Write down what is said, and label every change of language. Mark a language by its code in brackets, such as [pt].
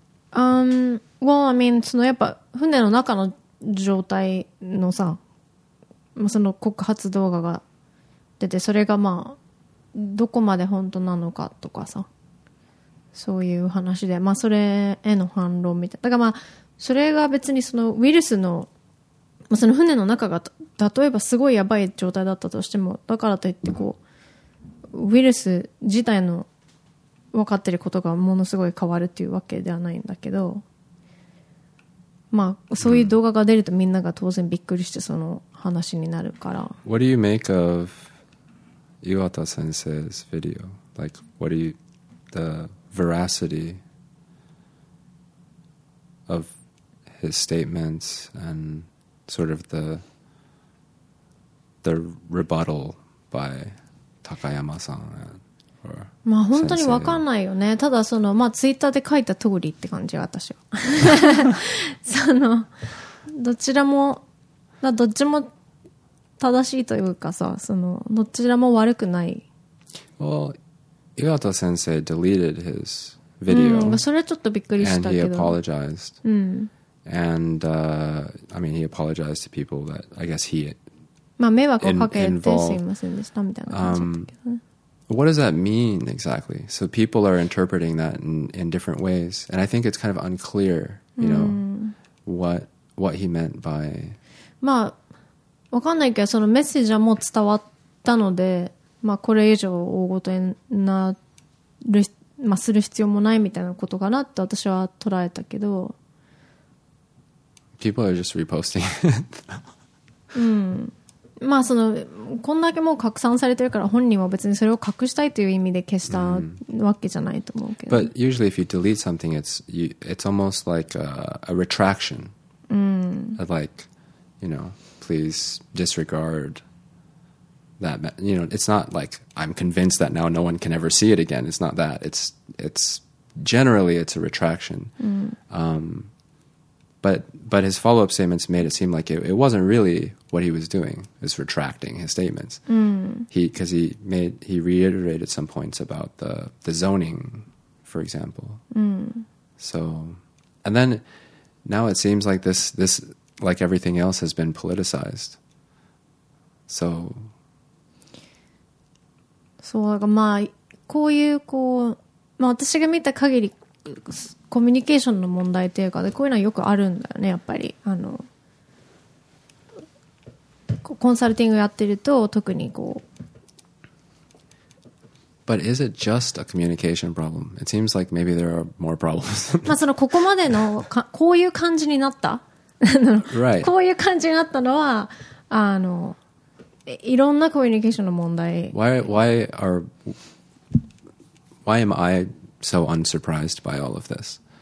[en] Well, I mean, [ja] そのやっぱ船の中の状態のさ、その告発動画が出て、それがまあどこまで本当なのかとかさ、そういう話で、まあそれへの反論みたいな。だからまあそれが別にそのウイルスの、まあ、その船の中が例えばすごいやばい状態だったとしても、だからといってこうウイルス自体の分かってることがものすごい変わるっていうわけではないんだけど、まあそういう動画が出るとみんなが当然びっくりしてその話になるから。 [en] What do you make of Iwata 先生's video? Like, what do you the veracity of his statements and sort of the rebuttal by Takayama さん and... [ja] まあ本当に分かんないよね。ただそのまあツイッターで書いた通りって感じ、私はそのどちらもどっちも正しいというかさ、そのどちらも悪くない。 [en] Well, Iwata 先生 deleted his video、 [ja] それちょっとびっくりしたけど、 [en] and he apologized、and I mean he apologized to people that I guess he [ja] まあ迷惑をかけてすいませんでしたみたいな感じだったけどね。 [en] What does that mean exactly? So people are interpreting that in different ways. And I think it's kind of unclear, you know,、what he meant by... [ja] まあ、わかんないけど、そのメッセージはもう伝わったので、まあ、これ以上大ごとになる、まあ、する必要もないみたいなことかなって私は捉えたけど。 [en] People are just reposting [ja] うん、まあ、そのこんだけもう拡散されてるから本人は別にそれを隠したいという意味で消したわけじゃないと思うけど、 [en] But usually if you delete something it's almost like a retraction、うん、 like you know please disregard that, you know, it's not like I'm convinced that now no one can ever see it again, it's not that, it's generally it's a retraction、 mm. But his follow up statements made it seem like it wasn't really what he was doing, is retracting his statements、 mm. he reiterated some points about the zoning, for example、 mm. so, and then now it seems like this like everything else has been politicized, so [ja] そう、だからまあこういうこう、まあ、私が見た限りコミュニケーションの問題というかでこういうのはよくあるんだよね。やっぱりあのコンサルティングやってると特にこう。 [en] But is it just a communication problem? It seems like maybe there are more problems. [ja] まあそのここまでのこういう感じになった、 [en] right. [ja] こういう感じになったのはあの。いろんなコミュニケーションの問題。 [en] Why am I so unsurprised by all of this?